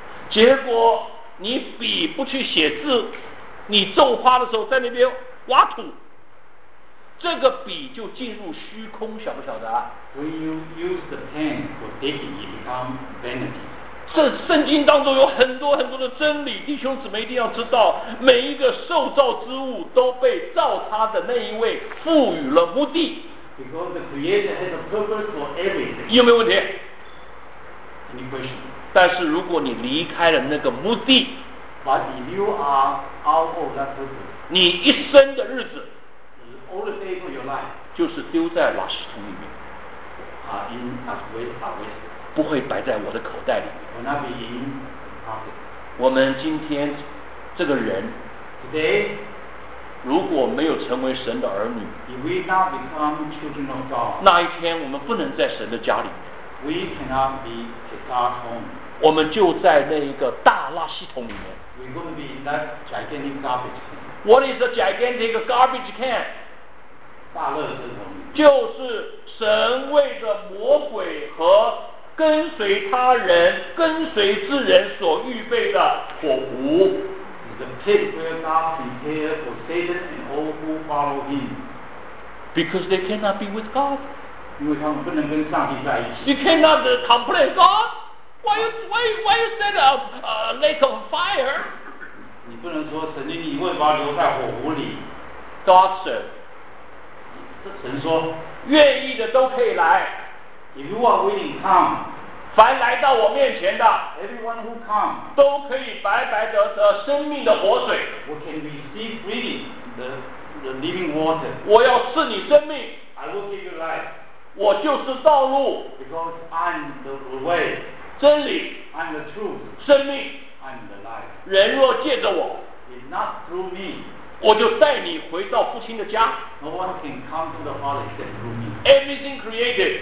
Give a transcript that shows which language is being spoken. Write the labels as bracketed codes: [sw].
[zh] 结果你笔不去写字，你种花的时候在那边挖土，这个笔就进入虚空，晓不晓得？ [en] When you use the pen for digging, it becomes vanity. [zh] 这圣经当中有很多很多的真理，弟兄姊妹一定要知道，每一个受造之物都被造他的那一位赋予了目的。 [en] Because the creator has a purpose for everything. [zh] 有没有问题？ [en] Any question? [zh] 但是如果你离开了那个目的， [en] but if you are out of that purpose, [zh] 你一生的日子， [en] all the days of your life, [zh] 就是丢在垃圾桶里面， [en] in as waste, [zh] 不会摆在我的口袋里面。 [en] Will not be in pocket. [zh] 我们今天这个人 [en] today, [zh] 如果没有成为神的儿女， [en] if we not become children of God, [zh] 那一天我们不能在神的家里面。 [en] We cannot be just our home. [zh] 我们就在那一个大垃圾桶里面。 [en] We're going to be in that gigantic garbage can. What is a gigantic garbage can? [zh] 大垃圾桶。就是神为着魔鬼和跟随他人、跟随之人所预备的火湖。 [en] The pit where God prepared for Satan and all who follow him. Because they cannot be with God. [zh] 因为他们不能跟上帝在一起。 [en] You cannot complain, God. Why you set up a lake of fire? [zh] 你不能说神经，你为什么留在火湖里？ [en] God said. [zh] 神说，愿意的都可以来。 [en] If you are willing, come. [zh] 凡来到我面前的， [en] everyone who come, [zh] 都可以白白得得生命的活水。 [en] We can receive freely the living water. [zh] 我要赐你生命。 [en] I will give you life. [zh] 我就是道路。 [en] Because I'm the way. [zh] 真理。 [en] I'm the truth. [zh] 生命。 [en] I'm the life. [zh] 人若借着我， [en] it's not through me. [zh] 我就带你回到父亲的家。 [en] No one can come to the Father except through me.